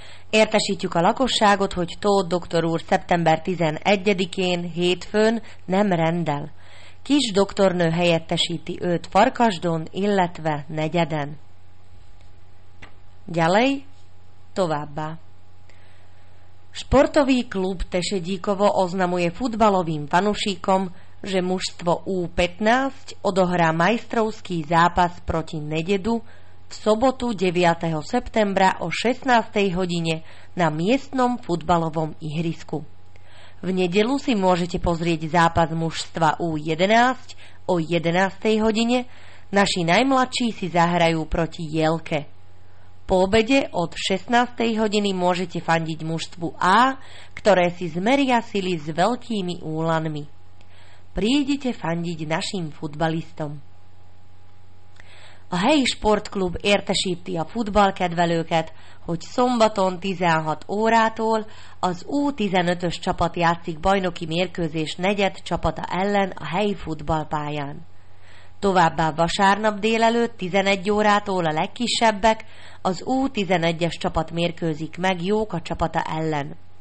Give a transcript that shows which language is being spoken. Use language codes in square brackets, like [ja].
[hu] Értesítjük a lakosságot, hogy Tóth doktor úr szeptember 11-én hétfőn nem rendel. Kis doktornő helyettesíti őt Farkasdon, illetve Negyeden. [sk] Ďalej, [hu] továbbá. [sk] Sportový klub Tešedíkovo oznamuje futbalovým fanušíkom, že mužstvo U15 odohrá majstrovský zápas proti Nededu v sobotu 9. septembra o 16. hodine na miestnom futbalovom ihrisku. V nedeľu si môžete pozrieť zápas mužstva U11 o 11. hodine, naši najmladší si zahrajú proti Jelke. Po obede od 16. hodiny môžete fandiť mužstvu A, ktoré si zmeria sily s veľkými úlanmi. Prídite fandiť našim futbalistom. [hu] A helyi sportklub értesíti a futballkedvelőket, hogy szombaton 16 órától az U15-ös csapat játszik bajnoki mérkőzés negyed csapata ellen a helyi futballpályán. Továbbá vasárnap délelőtt 11 órától a legkisebbek az U11-es csapat mérkőzik meg Jóka csapata ellen.